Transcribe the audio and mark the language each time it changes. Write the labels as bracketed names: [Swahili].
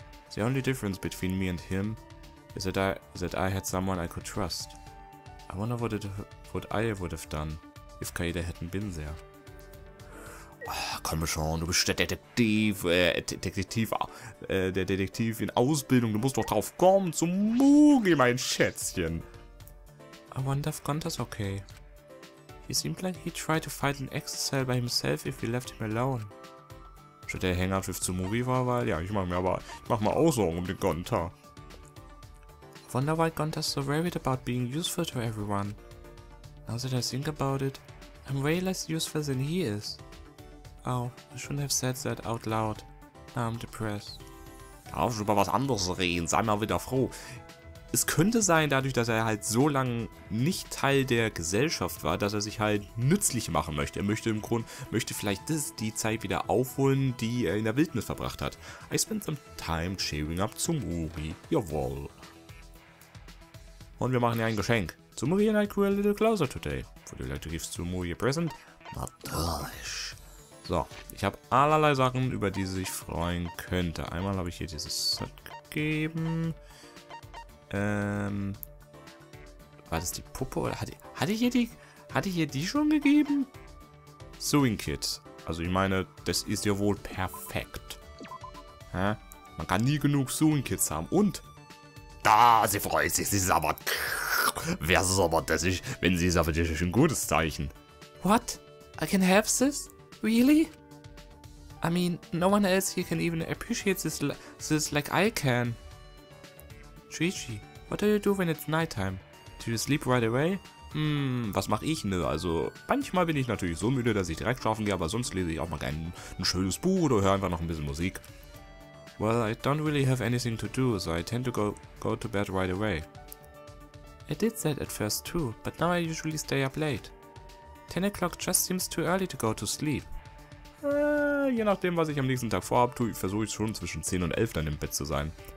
[English] The only difference between me and him is that I had someone I could trust. I wonder what I would have done, if Kaede hadn't been there. [German] Ach, komm schon, du bist der Detektiv in Ausbildung, du musst doch drauf kommen, zum Mugi, mein Schätzchen. [English] I wonder if Gunther's okay. He seemed like he tried to fight an exile by himself if we left him alone. Should I hang out with Tsumugi for a while? [German] Ja, ich mach mir auch Sorgen um den Gunther. [English] Wonder why Gunther's so worried about being useful to everyone. Now that I think about it, I'm way less useful than he is. Oh, I shouldn't have said that out loud. Now I'm depressed. [German] Darf ich über was anderes reden? Sei mal wieder froh. Es könnte sein, dadurch, dass er halt so lange nicht Teil der Gesellschaft war, dass er sich halt nützlich machen möchte. Er möchte im Grunde, möchte vielleicht die Zeit wieder aufholen, die er in der Wildnis verbracht hat. [English] I spent some time cheering up [German] zum Uri. Jawohl. Und wir machen ja ein Geschenk. [English] Tsumugi and I grew a little closer today. Would you like to give Tsumugi a present? [German] Natürlich. So, ich habe allerlei Sachen, über die sie sich freuen könnte. Einmal habe ich hier dieses Set gegeben. War das die Puppe oder hatte ich hier die schon gegeben? Sewing Kit. Also ich meine, das ist ja wohl perfekt. Hä? Man kann nie genug Sewing Kits haben. Und da, sie freut sich, sie ist aber... Wer ist aber das? Wenn sie es aber das ist ein gutes Zeichen. [English] What? I can have this? Really? I mean, no one else here can even appreciate this like I can. Chichi, what do you do when it's night time? Do you sleep right away? [German] Was mache ich, ne? Also, manchmal bin ich natürlich so müde, dass ich direkt schlafen gehe, aber sonst lese ich auch mal ein schönes Buch oder höre einfach noch ein bisschen Musik. [English] Well, I don't really have anything to do, so I tend to go to bed right away. I did that at first too, but now I usually stay up late. 10 o'clock just seems too early to go to sleep. [German] Je nachdem, was ich am nächsten Tag vorhab, versuche ich schon zwischen 10 und 11 dann im Bett zu sein.